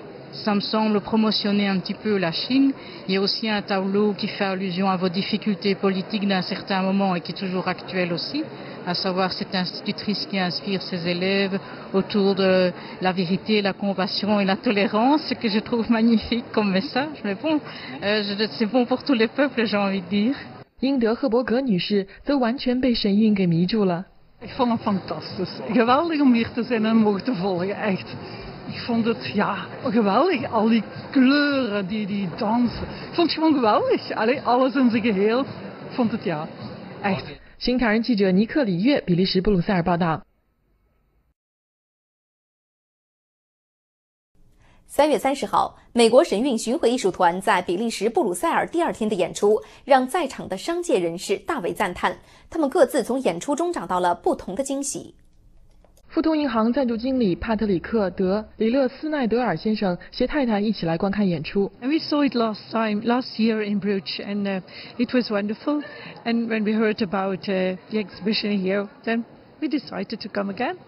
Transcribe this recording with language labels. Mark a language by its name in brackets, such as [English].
[French] Ça me semble promotionner un petit peu la Chine. Il y a aussi un tableau qui fait allusion à vos difficultés politiques d'un certain moment et qui est toujours actuel aussi, à savoir cette institutrice qui inspire ses élèves autour de la vérité, la compassion et la tolérance, que je trouve magnifique comme message. Mais bon, c'est bon pour tous les peuples, j'ai envie de dire. [Chinese] 英德赫伯格女士则完全被神韵给迷住了。 [Dutch] Ik vond het fantastisch, geweldig om hier te zijn en mogen te volgen, echt. Ik vond het ja, geweldig, al die kleuren, die dansen. Ik vond het gewoon geweldig. Allee, alles in zijn geheel, ik vond het ja, echt. [Chinese] 新唐人记者尼克李月，比利时布鲁塞尔报道。 3月30号，美国神韵巡回艺术团在比利时布鲁塞尔第二天的演出，让在场的商界人士大为赞叹，他们各自从演出中找到了不同的惊喜。富通银行赞助经理帕特里克·德·里勒斯奈德尔先生携太太一起来观看演出。 [English] And we saw it last year in Bruges, and it was wonderful. And when we heard about the exhibition here, then we decided to come again.